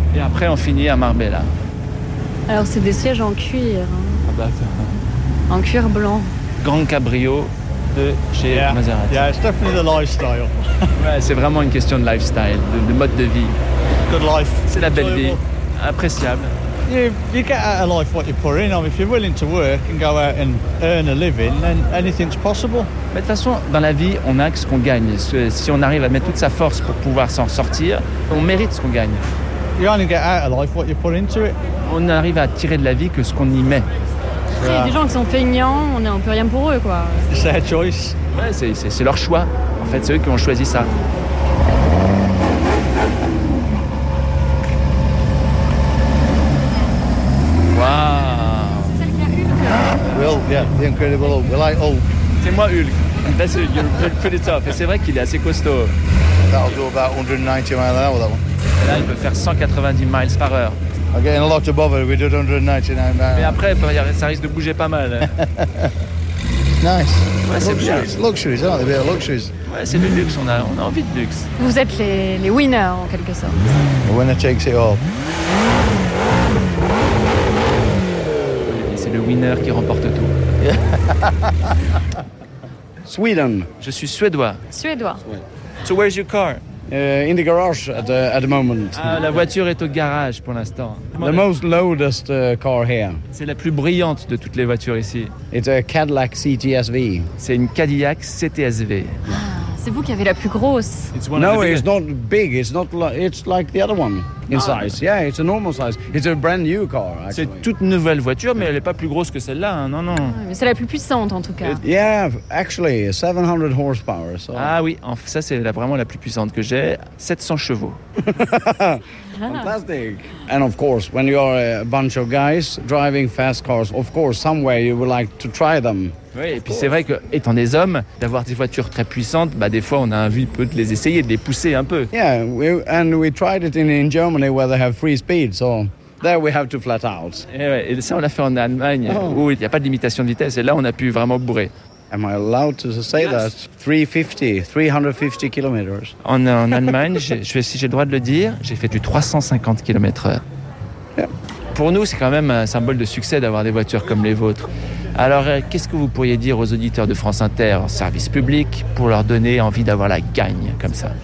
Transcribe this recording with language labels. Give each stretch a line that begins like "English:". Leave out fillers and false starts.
French: Et après, on finit à Marbella. Alors, c'est des sièges en cuir. Ah bah, en cuir blanc. Grand cabrio de chez Maserati.
English: Yeah, it's definitely the lifestyle.
French: Ouais, c'est vraiment une question de lifestyle, de mode de vie.
English: Good life.
French: C'est la belle vie. Appréciable.
English: You get out of life what you put in. I mean, if you're willing to work and go out and earn a living, then anything's possible.
French: Mais de toute façon, dans la vie, on a ce qu'on gagne. Si on arrive à mettre toute sa force pour pouvoir s'en sortir, on mérite ce qu'on gagne.
English: You only get out of life what you put into it.
French: On arrive à tirer de la vie que ce qu'on y met. Il y a des gens qui sont feignants, on n'a un peu rien pour eux, quoi.
English: It's their choice.
French: Ouais, c'est leur choix. En fait, c'est eux qui ont choisi ça.
English: Yeah, the incredible Hulk. We're like Hulk.
French: C'est moi Hulk.
English: That's it. You're pretty tough.
French: Et c'est vrai qu'il est assez costaud.
English: That'll do about 190 miles an hour, that one.
French: Et là, il peut faire 190 miles par heure.
English: I'm getting a lot above it. We did 199 miles.
French: Mais après, ça risque de bouger pas mal.
English: Nice.
French: Ouais, c'est luxuries. Bien.
English: Luxuries, aren't they? Luxuries.
French: Ouais, c'est du luxe. On a envie de luxe. Vous êtes les winners, en quelque sorte.
English: The winner takes it all.
French: Le winner qui remporte tout.
English: Sweden.
French: Je suis suédois. Suédois.
English: So where's your car? In the garage at the moment.
French: La voiture est au garage pour l'instant.
English: The most loudest car here.
French: C'est la plus brillante de toutes les voitures ici.
English: It's a Cadillac CTS-V.
French: C'est une Cadillac CTS-V. C'est vous qui avez la plus grosse.
English: It's not big. It's not it's like the other one. In size, yeah, it's a normal size. It's a brand new car, actually.
French: C'est toute nouvelle voiture, mais elle n'est pas plus grosse que celle-là, hein. Non. Ah, mais c'est la plus puissante, en tout cas.
English: Yeah, actually, 700 horsepower. So.
French: Ah oui, ça, c'est vraiment la plus puissante que j'ai, 700 chevaux.
English: Fantastic. And of course, when you are a bunch of guys driving fast cars, of course, somewhere you would like to try them.
French: Oui, et puis c'est vrai que, étant des hommes, d'avoir des voitures très puissantes, bah des fois on a envie peu de les essayer, de les pousser un peu.
English: Yeah, we tried it in Germany where they have free speed, so there we have to flat out.
French: Et ça on l'a fait en Allemagne où il n'y a pas de limitation de vitesse et là on a pu vraiment bourrer.
English: Am I allowed to say yes. That? 350 kilometers.
French: En Allemagne, si j'ai le droit de le dire, j'ai fait du 350 km/h.
English: Yeah.
French: Pour nous, c'est quand même un symbole de succès d'avoir des voitures comme les vôtres. Alors, qu'est-ce que vous pourriez dire aux auditeurs de France Inter, service public, pour leur donner envie d'avoir la gagne comme ça?